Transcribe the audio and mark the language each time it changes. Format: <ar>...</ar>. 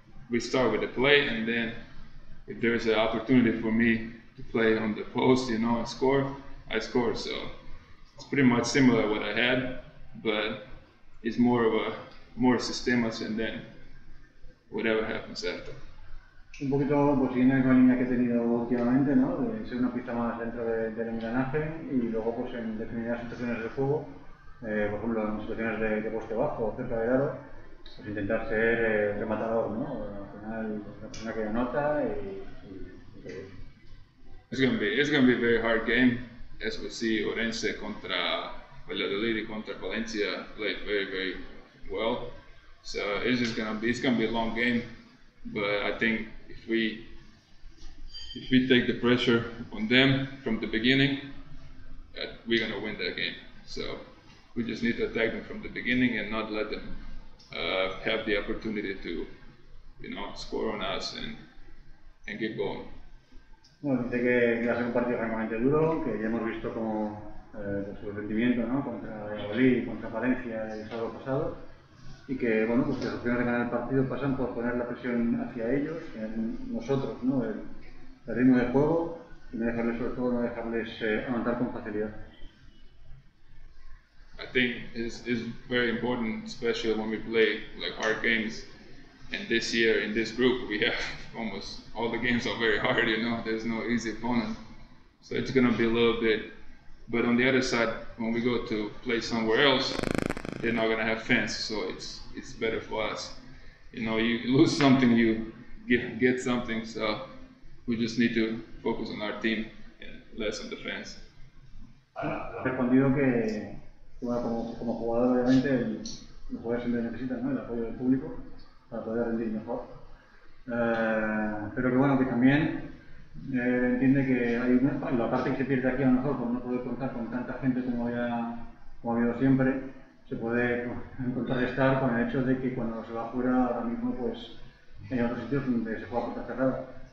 <en>We start with the play and then if there's an opportunity for me to play on the post, you know, and score, I score. So it's pretty much similar to what I had, but it's more of a more sistemas and then whatever happens after.</en> <es>Un poquito pues siguiendo la línea que he tenido últimamente, ¿no? De ser una pista más dentro del engranaje y luego pues en determinadas situaciones de juego, por ejemplo en situaciones de poste bajo o cerca del aro, pues intentar ser rematador, ¿no? Al final la persona que anota y</es> <en>It's gonna be a very hard game. As we see Orense</en> <es>contra Valladolid y contra Valencia</es> <en>played very, very well. So it's gonna be a long game. But I think if we take the pressure on them from the beginning, we're gonna win that game. So we just need to attack them from the beginning and not let them have the opportunity to, you know, score on us and get going.</en> <es>Bueno, dice que va a ser un partido francamente duro, que ya hemos visto como su rendimiento, ¿no? Contra Valladolid, contra Valencia el sábado pasado, y que bueno, pues las opciones de ganar el partido pasan por poner la presión hacia ellos, en nosotros, ¿no? El ritmo de juego y no dejarles, sobre todo, no dejarles anotar con facilidad.</es> <en>I think it's very important, especially when we play like hard games. And this year in this group we have almost all the games are very hard, you know, there's no easy opponent. So it's gonna be a little bit, but on the other side, when we go to play somewhere else, they're not gonna have fans, so it's better for us. You know, you lose something, you get something, so we just need to focus on our team and less on the fans.</en> <es>Respondido que como jugador obviamente el jugador siempre necesita, ¿no?, el apoyo del público para poder rendir mejor, pero que bueno, que también entiende que hay la parte que se pierde aquí a lo mejor por no poder contar con tanta gente como ha habido siempre, se puede contrarrestar con el hecho de que cuando se va fuera ahora mismo pues hay otros sitios donde se juega puerta cerrada.</es>